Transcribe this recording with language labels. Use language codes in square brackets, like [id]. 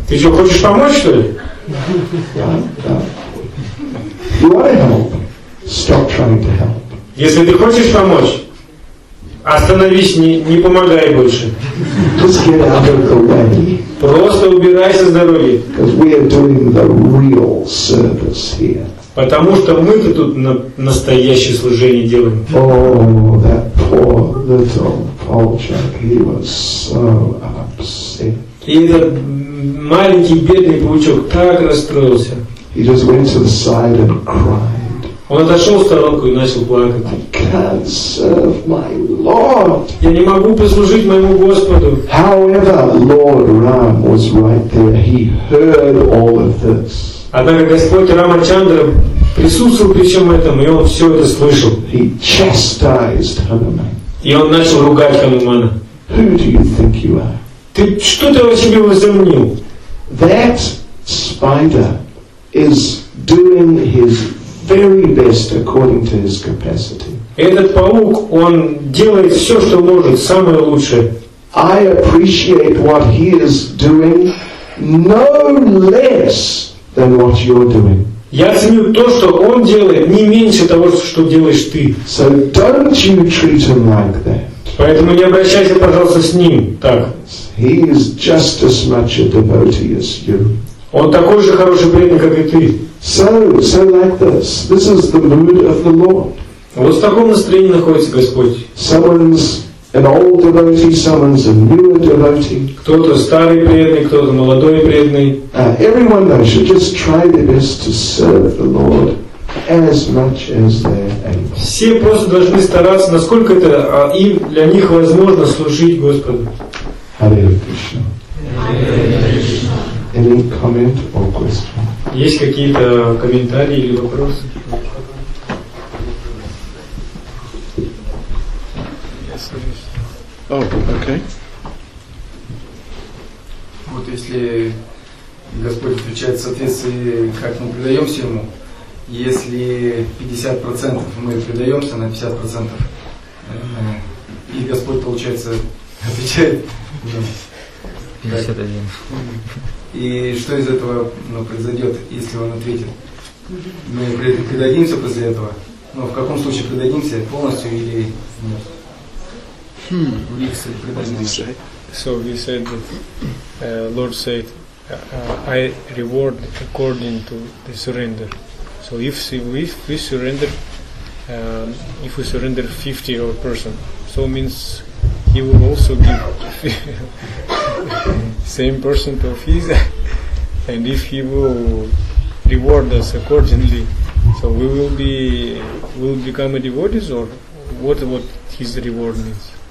[ru] Ты что, хочешь помочь, что ли? Да, да. [en] You wanna help? Stop trying to help. [ru] Если ты хочешь помочь, остановись, не помогай больше. [en] Just get out of the way. [ru] Просто убирайся с дороги. [en] Because we are doing the real service here. [ru] Потому что мы-то тут настоящее служение делаем. [en] Oh, that poor little Polchok, he was so upset. [ru] И этот маленький бедный паучок так расстроился. [en] He just went to the side and cried. [ru] Он отошел в сторонку и начал плакать. [en] I can't serve my Lord. [ru] Я не могу послужить моему Господу. [en] However, Lord Ram was right there. He heard all of this. [ru] Однако Господь Рамачандра присутствовал при всем этом, и он все это слышал. [en] He chastised Hanuman. [ru] И он начал ругать Ханумана. [en] Who do you think you are? [ru] Ты что ты о себе возомнил? [en] That spider is doing his very best according to his capacity. [ru] Этот паук, он делает все, что может, самое лучшее. [en] I appreciate what he is doing no less than what you're doing. [ru] Я ценю то, что он делает, не меньше того, что делаешь ты. [en] So don't you treat him like that. [ru] Поэтому не обращайся, пожалуйста, с ним так. [en] He is just as much a devotee as you. [ru] Он такой же хороший преданный, как и ты. [en] So like this. This is the mood of the Lord. [ru] Вот в таком настроении находится Господь. [en] Someone's an old devotee, someone's a newer devotee. [ru] Кто-то старый преданный, кто-то молодой преданный. [en] Everyone though should just try their best to serve the Lord. As much as they are able. [ru] Все просто должны стараться, насколько это им для них возможно служить Господу. [en] Hare Krishna. Any comment or question? [ru] Есть какие-то комментарии или вопросы? [en] Yes, oh, okay. [ru] Вот если Господь отвечает в соответствии, как мы предаемся ему. Если 50% мы предаемся на 50%, и Господь, получается, отвечает. 51. И что из этого произойдет, если Он ответит? Мы предадимся после этого? Но в каком случае предадимся? Полностью или нет? В их суть предадимся. [en] So we said that Lord said, I reward according to the surrender. So if we surrender 50 or person, so means he will also give same percent of his, and if he will reward us accordingly, so we will become a devotees, or what his reward means.